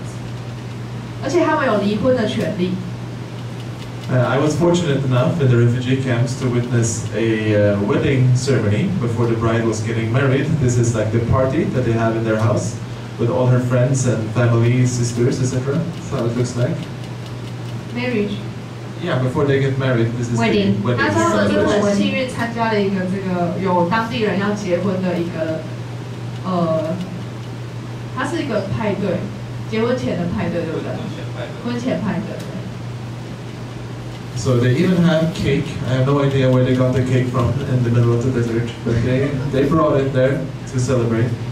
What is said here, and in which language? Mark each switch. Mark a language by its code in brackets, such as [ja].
[zh] 那有一件事非常特别，是在他们的这个社会里面，撒哈拉人的女性有非常大的权利，所以他们在国家是政治人物、掌权的人，在家里也是掌权的人，然后是医生、是老师，是担任很多重要的职位这样子，而且他们有离婚的权利。 [en] I was fortunate enough in the refugee camps to witness a wedding ceremony before the bride was getting married. This is like the party that they have in their house with all her friends and family, sisters, etc. That's how it looks like. Marriage. Yeah, before they get married, this is wedding. The wedding. [zh] 那他们真的很幸运，参加了一个这个有当地人要结婚的一个，它是一个派对，结婚前的派对，对不对？婚前派对。 [en] So they even have cake. I have no idea where they got the cake from in the middle of the desert, but they brought it there to celebrate.